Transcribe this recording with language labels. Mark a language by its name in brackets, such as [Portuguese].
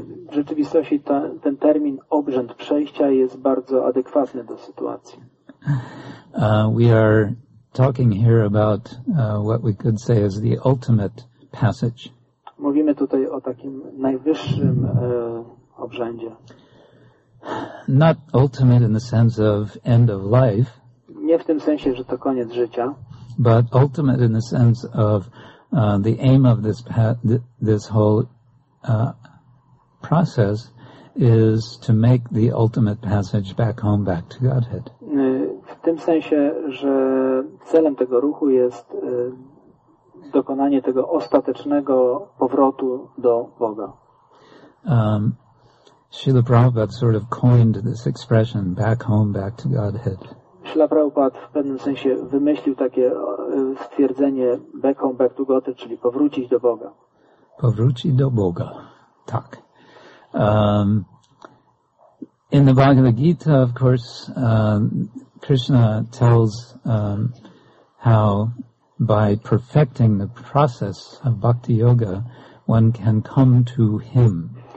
[Polish] W rzeczywistości ten termin obrzęd przejścia jest bardzo adekwatny do sytuacji. [English] We are talking here about what we could say is the ultimate passage. [Polish] Mówimy tutaj o takim najwyższym obrzędzie. [English] Not ultimate in the sense of end of life. [Polish] Nie w tym sensie, że to koniec życia. [English] But ultimate in the sense of the aim of this whole process is to make the ultimate passage back home, back to Godhead. [Polish] W tym sensie, że celem tego ruchu jest dokonanie tego ostatecznego powrotu do Boga. [English] Srila Prabhupada sort of coined this expression, back home, back to Godhead. [Polish] Srila Prabhupada w pewnym sensie wymyślił takie stwierdzenie, [English] back home, back to Godhead, [Polish] czyli powrócić do Boga. Powrócić do Boga, tak. [English] In the Bhagavad Gita, of course, Krishna tells how by perfecting the process of bhakti yoga, one can come to him.